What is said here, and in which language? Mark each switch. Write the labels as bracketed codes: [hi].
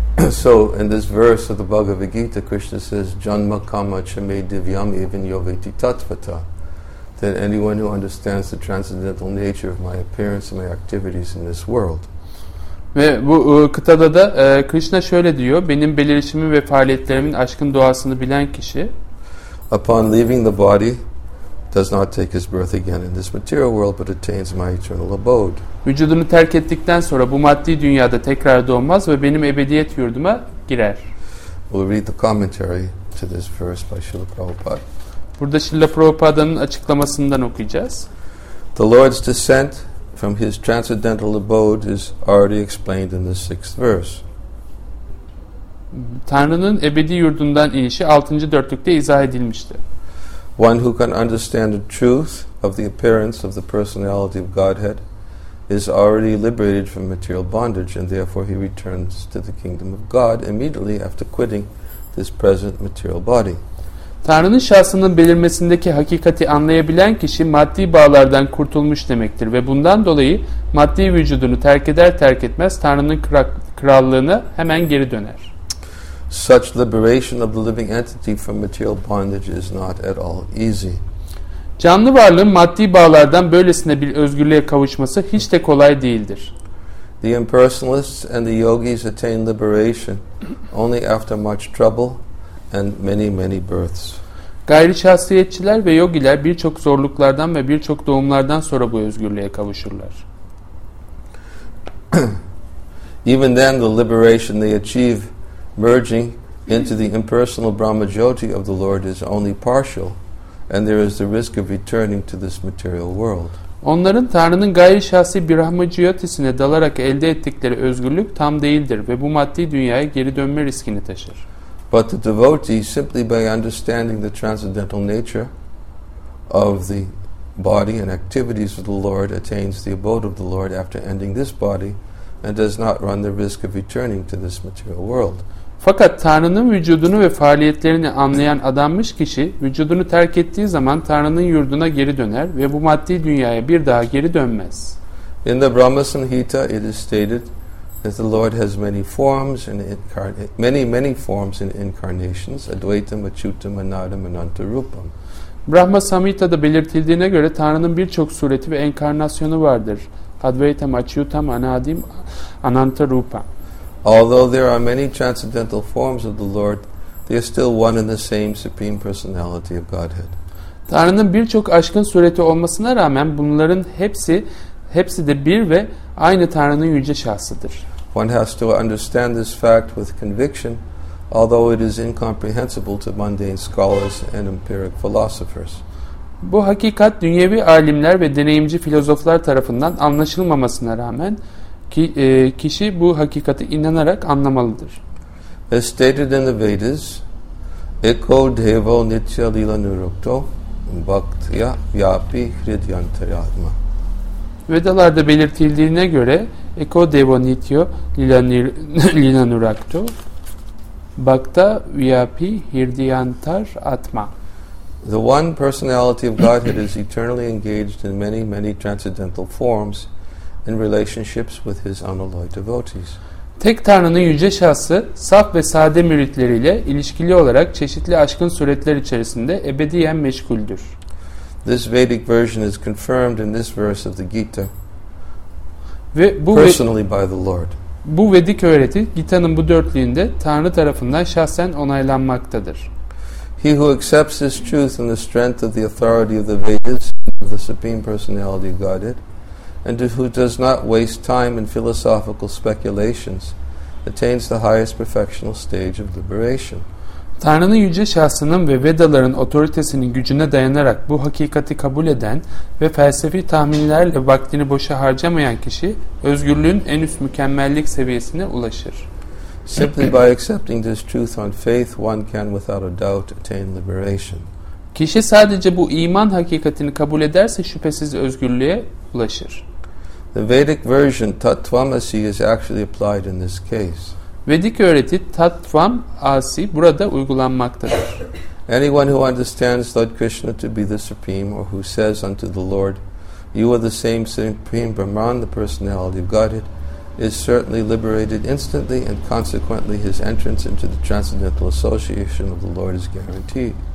[en] So in this verse of the Bhagavad Gita, Krishna says, [sa] "Janma kama chame divyam even yoveti tatvata." [en] That anyone who understands the transcendental nature of my appearance and my activities in this world. [tr] Ve bu kıtada da Krishna şöyle diyor, benim belirişimi ve faaliyetlerimin aşkın doğasını bilen kişi, [en] upon leaving the body, does not take his birth again in this material world, but attains my eternal abode. [tr] Vücudunu terk ettikten sonra bu maddi dünyada tekrar doğmaz ve benim ebediyet yurduma girer. [en] We'll read the commentary to this verse by Srila Prabhupada. [tr] Burada Srila Prabhupada'nın açıklamasından okuyacağız. [en] The Lord's descent from his transcendental abode is already explained in the sixth verse. [tr] Tanrı'nın ebedi yurdundan inişi 6. dörtlükte izah edilmişti. [en] One who can understand the truth of the appearance of the personality of Godhead is already liberated from material bondage, and therefore he returns to the kingdom of God immediately after quitting this present material body. [tr] Tanrı'nın şahsının belirmesindeki hakikati anlayabilen kişi maddi bağlardan kurtulmuş demektir ve bundan dolayı maddi vücudunu terk eder terk etmez Tanrı'nın krallığına hemen geri döner. [en] Such liberation of the living entity from material bondage is not at all easy. [tr] Canlı varlığın maddi bağlardan böylesine bir özgürlüğe kavuşması hiç de kolay değildir. [en] The impersonalists and the yogis attain liberation only after much trouble and many many births. [tr] Gayri şahsiyetçiler ve yogiler birçok zorluklardan ve birçok doğumlardan sonra bu özgürlüğe kavuşurlar. [en] Even then the liberation they achieve merging into the impersonal Brahma Jyoti of the Lord is only partial, and there is the risk of returning to this material world. [tr] Onların Tanrı'nın gayri şahsi Brahma Jyoti'sine dalarak elde ettikleri özgürlük tam değildir ve bu maddi dünyaya geri dönme riskini taşır. [en] But the devotee, simply by understanding the transcendental nature of the body and activities of the Lord, attains the abode of the Lord after ending this body and does not run the risk of returning to this material world. [tr] Fakat Tanrı'nın vücudunu ve faaliyetlerini anlayan adammış kişi, vücudunu terk ettiği zaman Tanrı'nın yurduna geri döner ve bu maddi dünyaya bir daha geri dönmez. [en] In the Brahma Samhita it is stated that the Lord has many forms and many forms and incarnations, [sa] Advaitam, Achyutam, Anadam, Anantarupam. [tr] Brahma Samhita'da belirtildiğine göre Tanrı'nın birçok sureti ve enkarnasyonu vardır. [sa] Advaitam, Achyutam, Anadim, Anantarupam. [en] Although there are many transcendental forms of the Lord, they are still one and the same supreme personality of Godhead. [tr] Tanrı'nın birçok aşkın sureti olmasına rağmen bunların hepsi de bir ve aynı Tanrı'nın yüce şahsıdır. [en] One has to understand this fact with conviction, although it is incomprehensible to mundane scholars and empiric philosophers. [tr] Bu hakikat dünyevi alimler ve deneyimci filozoflar tarafından anlaşılmamasına rağmen kişi bu hakikati inanarak anlamalıdır. [en] As stated in the Vedas, [sa] Eko Devo Nitya Lila Nurukto Bhaktya Vyapi Hridyantaryatma. [tr] Vedalarda belirtildiğine göre [sa] Eko Devo Nitya Lila Nurukto Bhakta Vyapi Hridyantaryatma. [en] The one personality of Godhead is eternally engaged in many, many transcendental forms in relationships with his unalloyed devotees. [tr] Tek Tanrı'nın yüce şahsı saf ve sade müritleriyle ilişkili olarak çeşitli aşkın suretler içerisinde ebediyen meşguldür. [en] This Vedic version is confirmed in this verse of the Gita. [tr] Ve bu [en] personally by the Lord. [tr] Bu Vedic öğreti Gita'nın bu dörtlüğünde Tanrı tarafından şahsen onaylanmaktadır. [en] He who accepts this truth and the strength of the authority of the Vedas and of the supreme personality of Godhead and who does not waste time in philosophical speculations attains the highest perfectional stage of liberation. [tr] Tanrı'nın yüce şahsının ve Vedaların otoritesinin gücüne dayanarak bu hakikati kabul eden ve felsefi tahminlerle vaktini boşa harcamayan kişi özgürlüğün en üst mükemmellik seviyesine ulaşır. [en] Simply by accepting this truth on faith, one can without a doubt attain liberation. [tr] Kişi sadece bu iman hakikatini kabul ederse şüphesiz özgürlüğe ulaşır. [en] The Vedic version tattvamasi is actually applied in this case. [tr] Vedik öğreti tattvam asi burada uygulanmaktadır. [en] Anyone who understands Lord Krishna to be the supreme or who says unto the Lord, you are the same supreme Brahman, the personality of Godhead, is certainly liberated instantly and consequently his entrance into the transcendental association of the Lord is guaranteed.